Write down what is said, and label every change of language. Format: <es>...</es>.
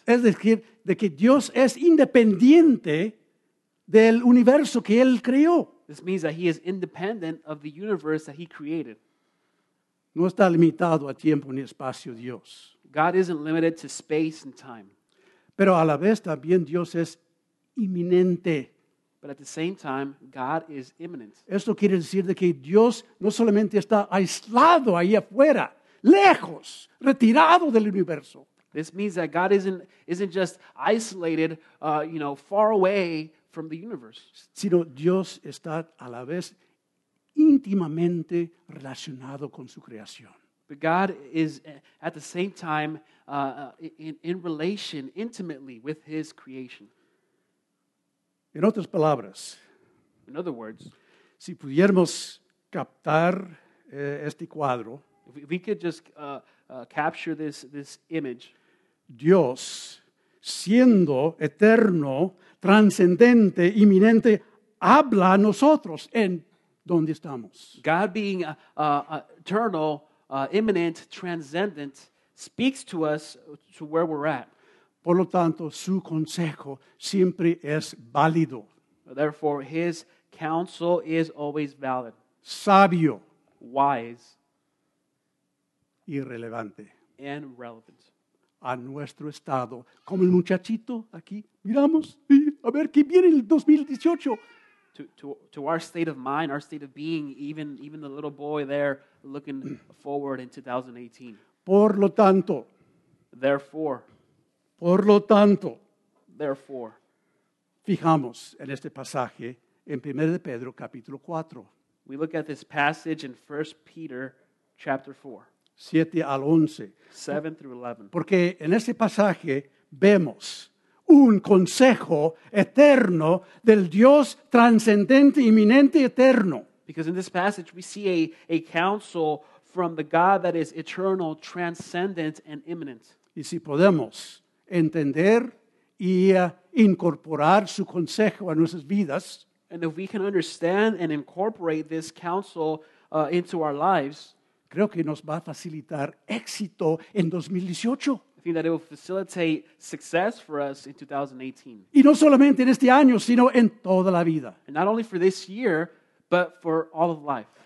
<es>Es decir, de que Dios es independiente del universo que Él creó.</es> <en>This means that He is independent of the universe that He created.</en> <es>No está limitado a tiempo ni espacio Dios.</es> <en>God isn't limited to space and time.</en> <es>Pero a la vez también Dios es inminente.</es> <en>But at the same time, God is imminent.</en> <es>Esto quiere decir de que Dios no solamente está aislado ahí afuera, lejos, retirado del universo.</es> <en>This means that God isn't just isolated, far away from the universe.</en> <es>Sino Dios está a la vez íntimamente relacionado con su creación.</es> <en>But God is at the same time in relation, intimately with His creation.</en> <es>En otras palabras,</es> <en>in other words,</en> <es>si pudiéramos captar este cuadro,</es> <en>if we could just capture this image,</en> <es>Dios, siendo eterno, transcendente, inminente, habla a nosotros en donde estamos.</es> <en>God being eternal, imminent, transcendent, speaks to us to where we're at.</en> <es>Por lo tanto, su consejo siempre es válido.</es> <en>Therefore, His counsel is always valid.</en> <es>Sabio.</es> <en>Wise.</en> <es>Irrelevante.</es> <en>And relevant.</en> <es>A nuestro estado. Como el muchachito aquí. Miramos. Y a ver qué viene el 2018.</es> <en>To our state of mind, our state of being, even the little boy there looking forward in 2018.</en> <es>Por lo tanto.</es> <en>Therefore.</en> <es>Por lo tanto.</es> <en>Therefore.</en> <es>Fijamos en este pasaje en 1 de Pedro capítulo 4.</es> <en>We look at this passage in 1 Peter chapter 4.</en> <es>7 al 11.</es> <en>7 through 11.</en> <es>Porque en este pasaje vemos un consejo eterno del Dios transcendente, inminente, eterno.</es> <en>Because in this passage we see a counsel from the God that is eternal, transcendent, and imminent.</en> <es>Y si podemos entender y incorporar su consejo a nuestras vidas.</es> <en>And if we can understand and incorporate this counsel into our lives.</en> <es>Creo que nos va a facilitar éxito en 2018.</es> <en>That it will facilitate success for us in 2018.</en> <es>Y no solamente en este año, sino en toda la vida.</es> <en>And not only for this year, but for all of life.</en>